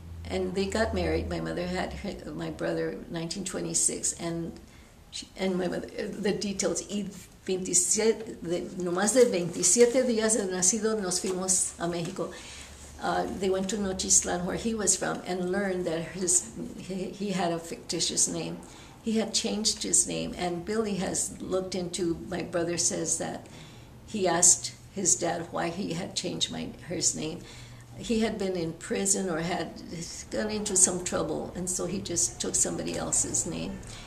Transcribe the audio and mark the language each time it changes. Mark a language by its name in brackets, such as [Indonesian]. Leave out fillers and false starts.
[English] And they got married. My mother had my brother in 1926. And my mother, the details, [Spanish] nomás de 27 días de nacido, nos fuimos a México. [English] They went to Nochistlan, where he was from, and learned that he had a fictitious name. He had changed his name. And Billy has looked into, my brother says that he asked his dad why he had changed his name. He had been in prison or had gone into some trouble, and so he just took somebody else's name.